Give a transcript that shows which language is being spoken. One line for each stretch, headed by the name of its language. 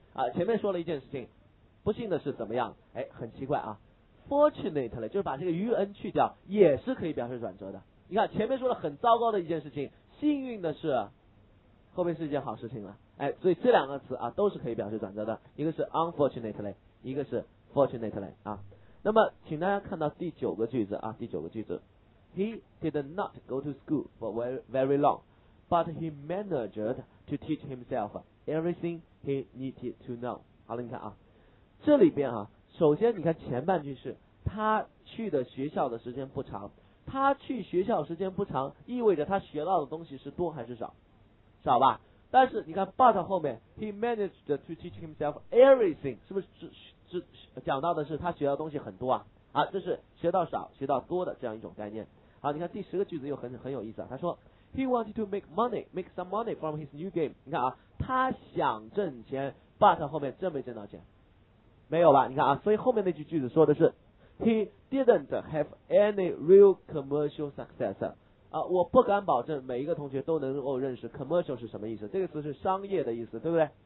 Chinese: 啊，前面说了一件事情，不幸的是怎么样？哎，很奇怪啊 ，fortunately 就是把这个余恩去掉，也是可以表示转折的。你看前面说了很糟糕的一件事情，幸运的是，后面是一件好事情了。哎，所以这两个词啊都是可以表示转折的，一个是 unfortunately， 一个是 fortunately 啊。
English: 那么请大家看到第九个句子啊，第九个句子，He did not go to school for very long， but he managed。 to teach himself everything he needed to know。
Chinese: 好了，你看啊，这里边啊，首先你看前半句是他去的学校的时间不长，他去学校时间不长意味着他学到的东西是多还是少？少吧。但是你看 but 后面 he managed to teach himself everything，是不是讲到的是他学到的东西很多啊？啊，这是学到少学到多的这样一种概念。
English: 好，你看第十个句子又很有意思啊，他说 He wanted to make money, make some money from his new game。
Chinese: 你看啊，他想挣钱， but 后面真没挣到钱，没有吧？你看啊，所以后面那句句子说的是 He didn't have any real commercial success。啊，我不敢保证每一个同学都能够认识 commercial 是什么意思，这个词是商业的意思，对不对？